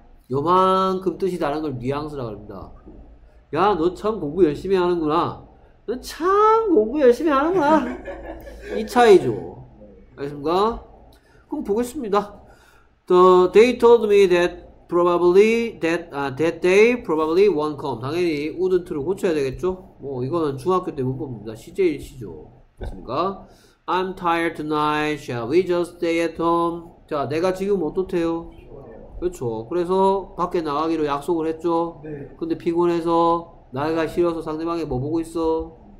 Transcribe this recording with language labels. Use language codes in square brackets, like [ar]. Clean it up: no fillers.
[ko] 요만큼 뜻이 다른 걸 뉘앙스라고 합니다. 야, 너 참 공부 열심히 하는구나. 너 참 공부 열심히 하는구나. 이 차이죠. 알겠습니까? 그럼 보겠습니다. [en] The, they told me that probably, that they probably won't come. [ko] 당연히 wouldn't를 고쳐야 되겠죠? 뭐, 이거는 중학교 때 문법입니다. 시제일시죠. 알겠습니까? [en] I'm tired tonight. Shall we just stay at home? [ko] 자, 내가 지금 어떻대요? 그렇죠. 그래서 밖에 나가기로 약속을 했죠. 네. 근데 피곤해서 나이가 싫어서 상대방이 뭐 보고 있어?